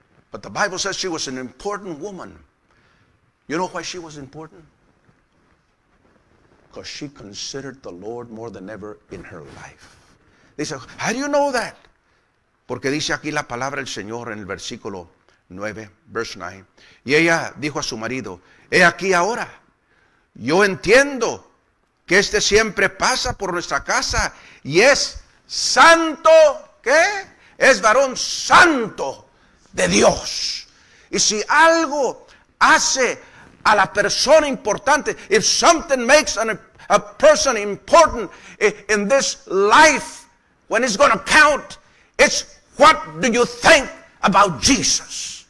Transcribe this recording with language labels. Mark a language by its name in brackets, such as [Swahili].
[English] But the Bible says she was an important woman. You know why she was important? Because she considered the Lord more than ever in her life. [Spanish] Dice, [English] how do you know that? [Spanish] Porque dice aquí la palabra del Señor en el versículo 9, [English] verse 9. [Spanish] Y ella dijo a su marido, he aquí ahora, yo entiendo que este siempre pasa por nuestra casa y es santo, ¿qué? Es varón santo de Dios. Y si algo hace a la persona importante, [English] if something makes a person important in this life, when it's going to count, it's what do you think about Jesus.